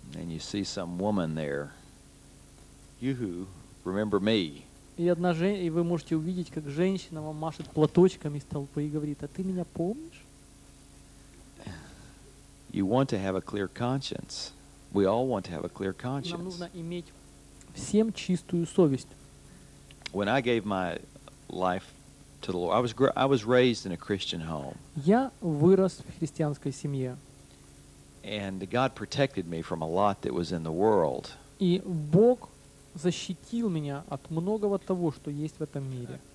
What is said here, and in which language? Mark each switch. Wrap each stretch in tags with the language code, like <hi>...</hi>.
<en>And you see some woman there. Yoo-hoo, remember me.</en> <ru>И вы можете увидеть, как женщина вам машет платочком из толпы и говорит: «А ты меня помнишь?»</ru> <en>You want to have a clear conscience. We all want to have a clear conscience.</en> <ru>Нам нужно иметь всем чистую совесть.</ru> <en>When I gave my life to the Lord, I was raised in a Christian home.</en> <ru>Я вырос в христианской семье.</ru> <en>And God protected me from a lot that was in the world.</en> <ru>И Бог защитил меня от многого того, что есть в этом мире.</ru>